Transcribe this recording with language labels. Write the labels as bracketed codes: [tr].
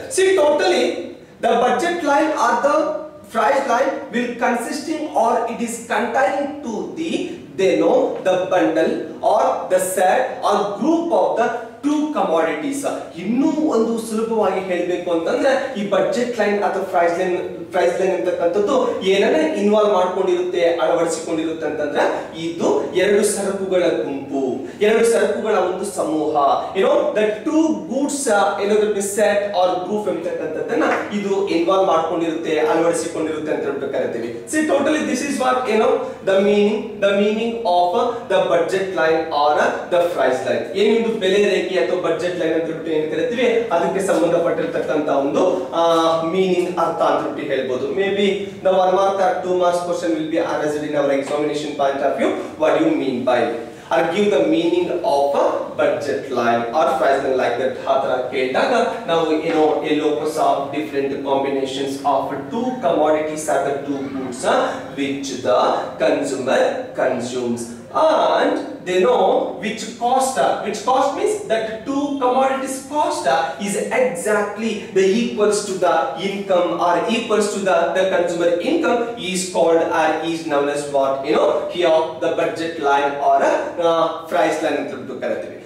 [en] See totally the budget line or the price line will consisting or it is containing to the the bundle or the set or group of the two commodities. [kn] ಇನ್ನೂ ಒಂದು ಸುಲಭವಾಗಿ ಹೇಳಬೇಕು ಅಂತಂದ್ರೆ ಈ budget line ಅಥವಾ price line ಅಂತಕ್ಕಂಥದ್ದು ಏನನ್ನ involve ಮಾಡ್ಕೊಂಡಿರುತ್ತೆ, ಅಳವಡಿಸಿಕೊಂಡಿರುತ್ತೆ ಅಂತಂದ್ರೆ ಇದು ಎರಡು ಸರಕುಗಳ ಗುಂಪು, ಎರಡು ಸರಕುಗಳ ಒಂದು ಸಮೂಹ, ಏನೋ [en] the two goods [kn] ಏನಾದ್ರೂ ಸೆಟ್ ಆರ್ ಗ್ರೂಪ್ ಎಂತಕ್ಕಂಥದ್ದನ್ನ ಇದು ಇನ್ವಾಲ್ವ್ ಮಾಡ್ಕೊಂಡಿರುತ್ತೆ, ಅಳವಡಿಸಿಕೊಂಡಿರುತ್ತೆ ಅಂತ ಹೇಳ್ಬಿಟ್ಟು ಕರಿತೀವಿ. [en] See totally this is what ಏನೋ the meaning of the budget line or the price line. [kn] ಏನಿದು ಬೆಲೆ ರೇಖೆ ಅಥವಾ ಬಜೆಟ್ ಲೈನ್ ಅಂತ ಹೇಳ್ಬಿಟ್ಟು ಏನ್ ಕರಿತೀವಿ, ಅದಕ್ಕೆ ಸಂಬಂಧಪಟ್ಟಿರ್ತಕ್ಕಂಥ ಒಂದು ಮೀನಿಂಗ್ ಅರ್ಥ ಅಂತ ಹೇಳ್ಬಿಟ್ಟು ಹೇಳ್ಬೋದು. [en] Maybe the one mark or two marks question will be answered in our examination point of view, what you mean by or give the meaning of a budget line or price line like that. [kn] ಆ ತರ ಕೇಳಿದಾಗ ನಾವು ಏನೋ [en] A locus of different combinations of two commodities or the two goods which the consumer consumes and they know which cost means that two commodities cost is exactly the equals to the income or equals to the consumer income is called or is known as what, you know, here the budget line or a price line in terms of karatevi.